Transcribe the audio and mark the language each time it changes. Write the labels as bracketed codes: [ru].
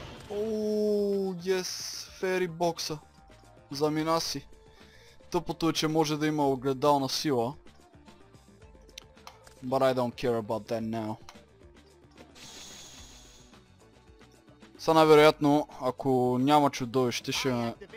[bg] Оооо, [en] yes, [bg] Фери бокса. Замина си. Тъпото е, че може да има огледална сила. [en] But I don't care about that now. [bg] Са най-вероятно, ако няма чудовище, ще ме...